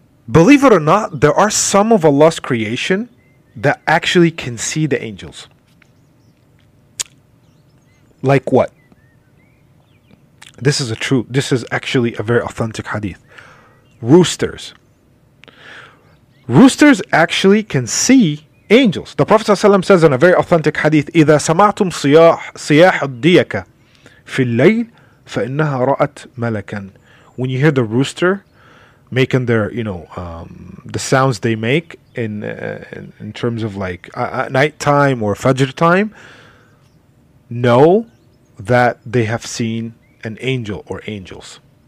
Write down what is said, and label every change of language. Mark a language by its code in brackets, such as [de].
[en] Believe it or not, there are some of Allah's creation that actually can see the angels. Like what? This is actually a very authentic hadith. Roosters. Roosters actually can see angels. The Prophet ﷺ says in a very authentic hadith, [ar] إِذَا سَمَعْتُمْ صِيَاحَ الدِّيَكَ فِي اللَّيْلِ فَإِنَّهَا رَأَتْ مَلَكًا. [en] When you hear the rooster making their, you know, the sounds they make in terms of like at night time or fajr time, know that they have seen an angel or angels.